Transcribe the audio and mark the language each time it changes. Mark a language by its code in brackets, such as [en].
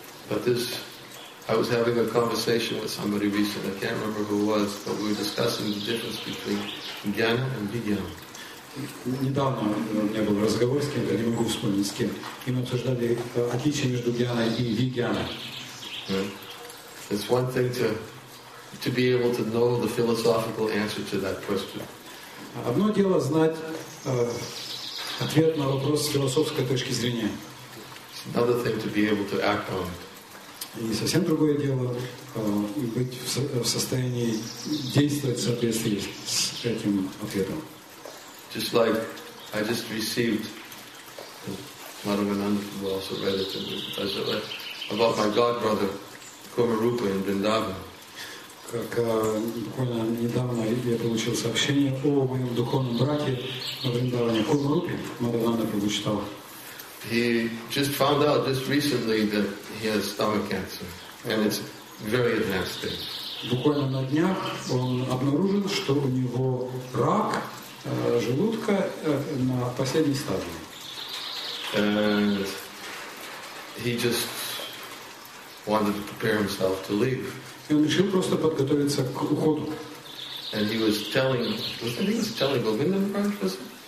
[en] But this, I was having a conversation with somebody recently. I can't remember who it was, but we were discussing the difference between jnana and vijnana. [ru] Недавно у меня был разговор с кем-то, не могу вспомнить с кем, и мы обсуждали отличие между jnаной и vijnаной. [en] It's one thing to be able to know the philosophical answer to that question. [ru] Одно дело знать ответ на вопрос с философской точки зрения. [en] It's another thing to be able to act on it. [ru] И совсем другое дело быть в состоянии действовать в соответствии с этим ответом. [en] Just like I just received, Madhavananda also read it, about my god brother Kumarupa in Vrindavan. [ru] Как буквально недавно я получил сообщение о моем духовном брате на Вриндаване Кумарупе, Мадхавананда прочитал. [en] He just found out just recently that he has stomach cancer, and it's very advanced thing. [ru] Буквально на днях он обнаружил, что у него рак желудка на последней стадии. [en] And he just wanted to prepare himself to leave. [ru] И он решил просто подготовиться к уходу. [en] And he was telling Govinda Maharaj, was it?